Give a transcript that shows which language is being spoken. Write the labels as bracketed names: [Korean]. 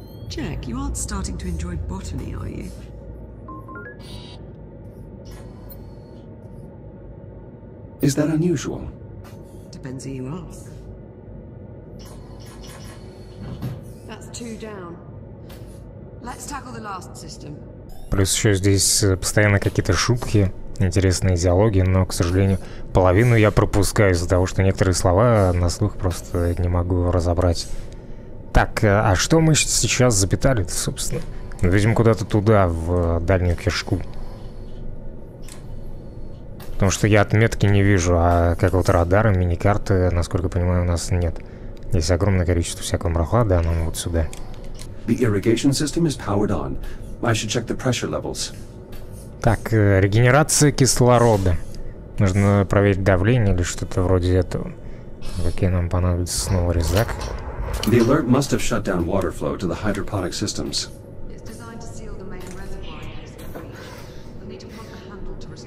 [English] Jack, you aren't starting to enjoy botany, are you? Is that unusual? Depends who you ask. That's two down. Let's tackle the last system. [Russian] Плюс еще здесь постоянно какие-то шутки, интересные диалоги, но, к сожалению, половину я пропускаю из-за того, что некоторые слова на слух просто не могу разобрать. Так, а что мы сейчас запитали-то, собственно? Ну, видимо, куда-то туда, в дальнюю кишку. Потому что я отметки не вижу, а какого-то радара, мини-карты, насколько я понимаю, у нас нет. Здесь огромное количество всякого мрахла, да, но вот сюда. [English] The irrigation system is powered on. I should check the pressure levels. [Russian] Так, регенерация кислорода. Нужно проверить давление или что-то вроде этого. Какие нам понадобится снова резак? [English] The alert must have shut down water flow to the hydroponic systems. It's designed to seal the main reservoir. We'll need to pump the handle to